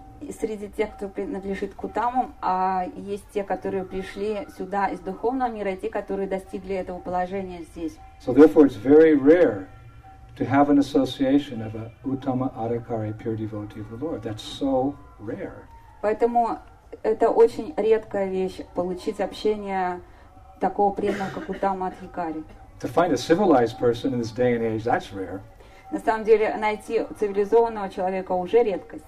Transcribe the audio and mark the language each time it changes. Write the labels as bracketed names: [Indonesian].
[Russian] Среди тех, кто принадлежит к утамам, есть те, которые пришли сюда из духовного мира, и те, которые достигли этого положения здесь. [English] So therefore it's very rare to have an association of a uttama arakari pure devotee of the Lord. That's so rare. [Russian] Поэтому это очень редкая вещь получить общение такого преданного, как утама адхикари. [English] To find a civilized person in this day and age, that's rare. [Russian] На самом деле, найти цивилизованного человека уже редкость.